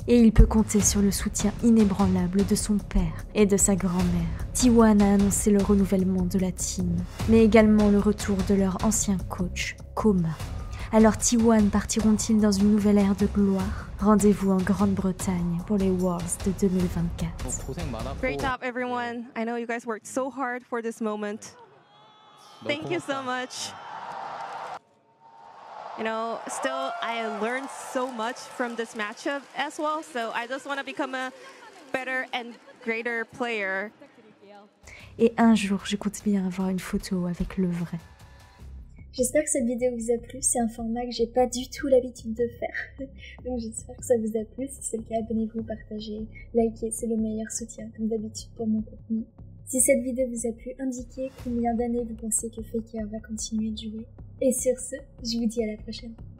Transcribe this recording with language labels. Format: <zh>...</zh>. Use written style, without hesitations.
<fr>Et il peut compter sur le soutien inébranlable de son père et de sa grand-mère. T1 a annoncé le renouvellement de la team, mais également le retour de leur ancien coach, Koma. Alors T1 partiront-ils dans une nouvelle ère de gloire ? Rendez-vous en Grande-Bretagne pour les Worlds de 2024.</fr> <en>Great job everyone. I know you guys worked so hard for this moment. Thank you so much. You know, still I learned so much from this matchup as well, so I just want to become a better and greater player.</en> <fr>Et un jour, je compte bien avoir une photo avec le vrai. J'espère que cette vidéo vous a plu, c'est un format que j'ai pas du tout l'habitude de faire. Donc j'espère que ça vous a plu, si c'est le cas, abonnez-vous, partagez, likez, c'est le meilleur soutien, comme d'habitude, pour mon contenu. Si cette vidéo vous a plu, indiquez combien d'années vous pensez que Faker va continuer de jouer. Et sur ce, je vous dis à la prochaine.</fr>